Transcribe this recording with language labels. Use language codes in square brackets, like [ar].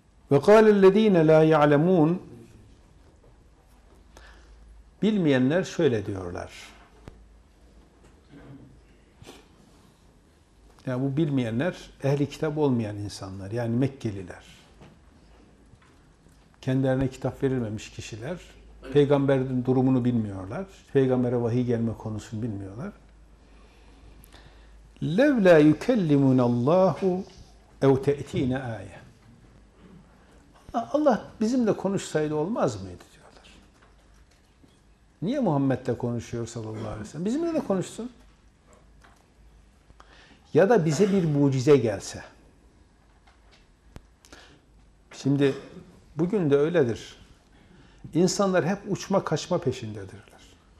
[ar] وَقَالَ الَّذ۪ينَ لَا يَعْلَمُونَ [tr] Bilmeyenler şöyle diyorlar. Yani bu bilmeyenler, ehli kitap olmayan insanlar, yani Mekkeliler. Kendilerine kitap verilmemiş kişiler, peygamberin durumunu bilmiyorlar, peygambere vahiy gelme konusunu bilmiyorlar. [ar] لَوْ لَا يُكَلِّمُنَ اللّٰهُ اَوْ تَأْتِينَ آيَةً [tr] Allah bizimle konuşsaydı olmaz mıydı diyorlar. Niye Muhammed'le konuşuyor sallallahu aleyhi ve sellem? Bizimle de konuşsun. Ya da bize bir mucize gelse. Şimdi bugün de öyledir. İnsanlar hep uçma kaçma peşindedirler.